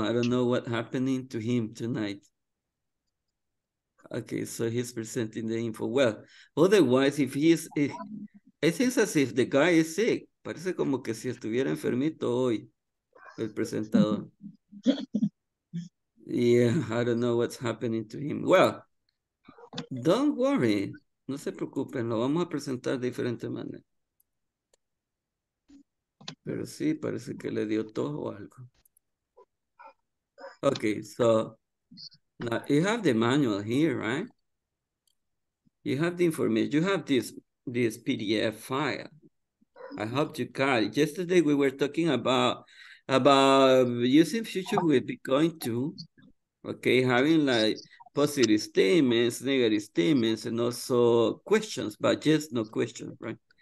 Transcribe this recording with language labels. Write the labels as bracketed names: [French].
[English] I don't know what's happening to him tonight. Okay, so he's presenting the info. Well, otherwise, it's as if the guy is sick. [Spanish] Parece como que si estuviera enfermito hoy, el presentador. [English] Yeah, I don't know what's happening to him. Well, don't worry. [Spanish] No se preocupen, lo vamos a presentar de diferente manera. Pero sí, parece que le dio tos o algo. [English] Okay, so now you have the manual here, right? You have the information. You have this PDF file. I hope you got it. Yesterday we were talking about using future with going to, okay, having like positive statements, negative statements, and also questions, but just no questions, right?